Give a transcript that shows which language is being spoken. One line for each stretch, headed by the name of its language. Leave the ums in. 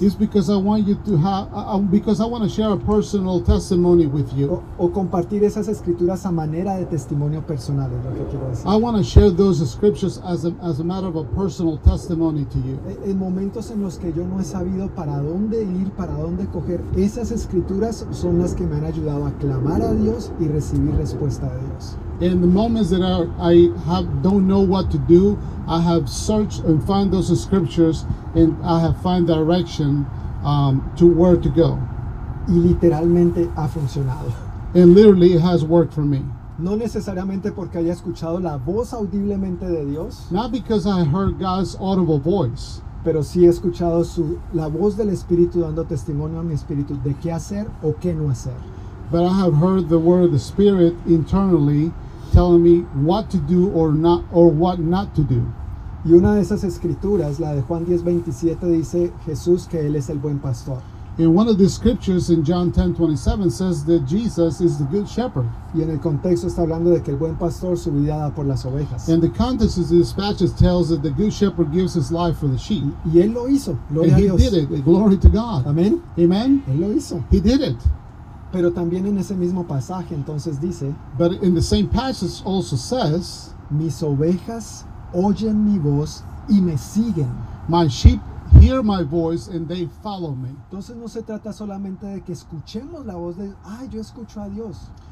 English: Is because I want you to have, I, because I want to share a personal testimony with you.
Spanish: O, o compartir esas escrituras a manera de testimonio personal es lo que quiero decir.
English: I want to share those scriptures as a, as a matter of a personal testimony to you.
Spanish: En, en, momentos en los que yo no he sabido para dónde ir, para dónde coger, esas escrituras son las que me han ayudado a clamar a Dios y recibir respuesta de Dios.
English: In that I, I have, don't know what to do. I have searched and found those scriptures and I have found direction um, to where to go.
Spanish: Y literalmente ha funcionado.
English: And literally it has worked for me.
Spanish: No necesariamente porque haya escuchado la voz audiblemente de Dios.
English: Not because I heard God's audible voice.
Spanish: Pero sí he escuchado su, la voz del Espíritu dando testimonio a mi Espíritu de qué hacer o qué no hacer.
English: But I have heard the word of the Spirit internally telling me what to do or not or what not to do.
Spanish: Y una de esas escrituras, la de Juan 10:27 dice Jesús que él es el buen pastor.
English: In one of the scriptures in John 10:27 says that Jesus is the good shepherd.
Spanish: Y en el contexto está hablando de que el buen pastor su vida da por las ovejas.
English: And the context of the dispatches tells that the good shepherd gives his life for the sheep. Y él And he Dios. did it. A glory to God. Amen. Amen. Amen.
Spanish: Él lo hizo.
English: He did it.
Spanish: Pero también en ese mismo pasaje entonces dice,
English: in the same also says,
Spanish: mis ovejas oyen mi voz y me siguen.
English: My sheep hear my voice and they follow me.
Spanish: Entonces no se trata solamente de que escuchemos la voz de, ay, yo escucho a Dios.